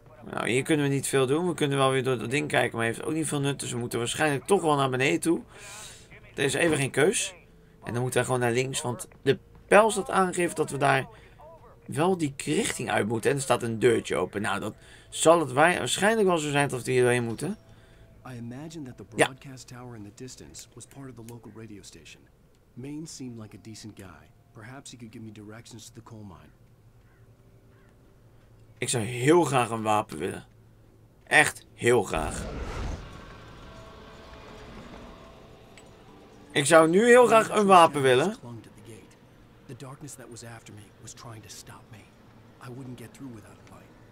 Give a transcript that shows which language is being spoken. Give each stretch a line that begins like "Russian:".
Dutch: Nou, hier kunnen we niet veel doen. We kunnen wel weer door dat ding kijken, maar heeft ook niet veel nut. Dus we moeten waarschijnlijk toch wel naar beneden toe. Er is even geen keus. En dan moeten we gewoon naar links, want de pijl staat aangegeven dat we daar wel die richting uit moeten. En er staat een deurtje open. Nou, dat zal het waarschijnlijk wel zo zijn dat we hier doorheen moeten.
English: I imagine that the broadcast tower in the distance was part of the local radio station. Main seemed like a decent guy. Perhaps he could give me directions to the coal mine.
Dutch: Ik zou heel graag een wapen willen. Echt heel graag. Ik zou nu heel graag een wapen willen.
English: The darkness that was after me was trying to stop me. I wouldn't get through without a fight.